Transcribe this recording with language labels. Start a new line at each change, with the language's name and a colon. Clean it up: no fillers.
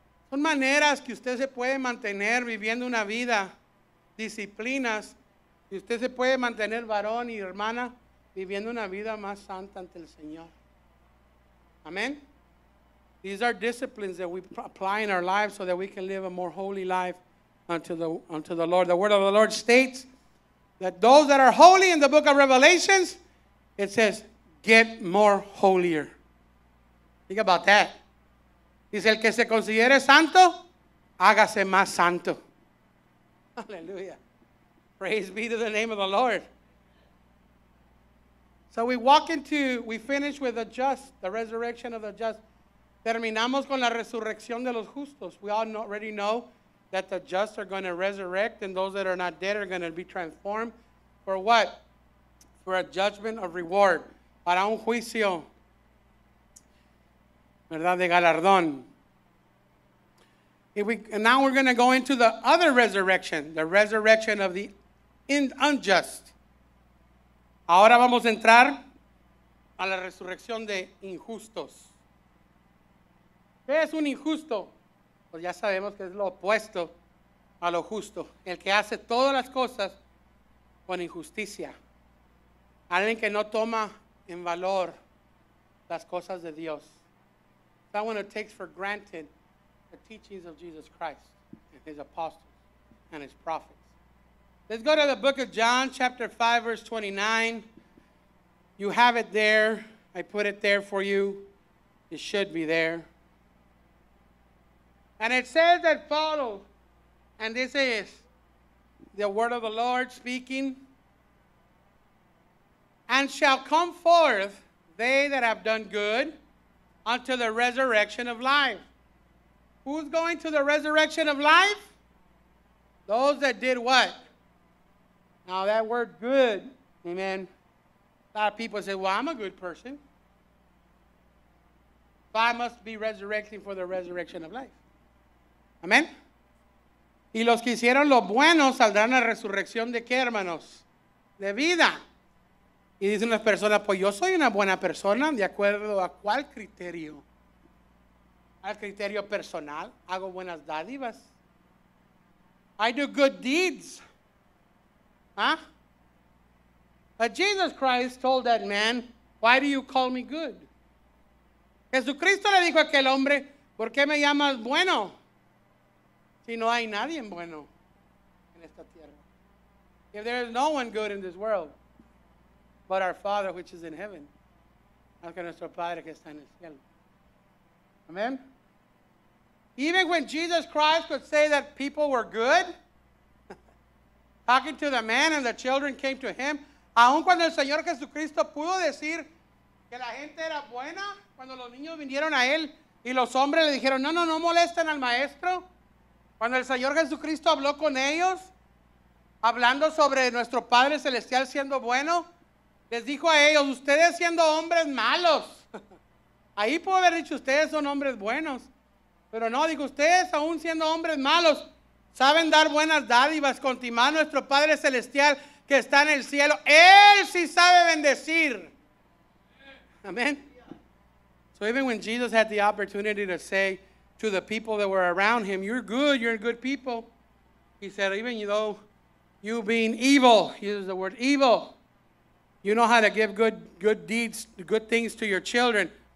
Spanish: Son maneras que usted se puede mantener viviendo una vida, disciplinas. Y usted se puede mantener varón y hermana viviendo una vida más santa ante el Señor. Amen.
English: These are disciplines that we apply in our lives so that we can live a more holy life unto the Lord. The word of the Lord states that those that are holy in the book of Revelations, it says, get more holier. Think about that.
Spanish: Dice, el que se considere santo, hágase más santo.
English: Hallelujah. Praise be to the name of the Lord. So we finish with the just, the resurrection of the just.
Spanish: Terminamos con la resurrección de los justos.
English: We all already know that the just are going to resurrect and those that are not dead are going to be transformed. For what? For a judgment of reward.
Spanish: Para un juicio. ¿Verdad? De galardón.
English: And now we're going to go into the other resurrection, the resurrection of the unjust.
Spanish: Ahora vamos a entrar a la resurrección de injustos. ¿Qué es un injusto? Pues ya sabemos que es lo opuesto a lo justo. El que hace todas las cosas con injusticia. Alguien que no toma en valor las cosas de Dios.
English: Someone who takes for granted the teachings of Jesus Christ and his apostles and his prophets. Let's go to the book of John, chapter 5, verse 29. You have it there. I put it there for you. It should be there. And it says that follow, and this is the word of the Lord speaking, and shall come forth they that have done good unto the resurrection of life. Who's going to the resurrection of life? Those that did what? Now that word good, amen. A lot of people say, well, I'm a good person. So I must be resurrecting for the resurrection of life. Amén.
Spanish: Y los que hicieron lo bueno saldrán a resurrección de qué, hermanos? De vida. Y dicen las personas, pues yo soy una buena persona, ¿de acuerdo a cuál criterio? Al criterio personal, hago buenas dádivas.
English: I do good deeds.
Spanish: ¿Ah?
English: But Jesus Christ told that man, why do you call me good?
Spanish: Jesucristo le dijo a aquel hombre, ¿por qué me llamas bueno? Si no hay nadie bueno en esta tierra.
English: If there is no one good in this world, but our Father which is in heaven,
Spanish: más que nuestro Padre que está en el cielo.
English: Amen. Even when Jesus Christ could say that people were good, talking to the man and the children came to him,
Spanish: aun cuando el Señor Jesucristo pudo decir que la gente era buena, cuando los niños vinieron a él y los hombres le dijeron, no, no, no molesten al maestro. Cuando el Señor Jesucristo habló con ellos, hablando sobre nuestro Padre Celestial siendo bueno, les dijo a ellos, ustedes siendo hombres malos. Ahí pudo haber dicho, ustedes son hombres buenos. Pero no, dijo, ustedes aún siendo hombres malos, saben dar buenas dádivas, continuar nuestro Padre Celestial que está en el cielo. Él sí sabe bendecir. Amén.
English: So even when Jesus had the opportunity to say, to the people that were around him, you're good, you're good people. He said, even though you being evil, he uses the word evil, you know how to give good deeds, good things to your children.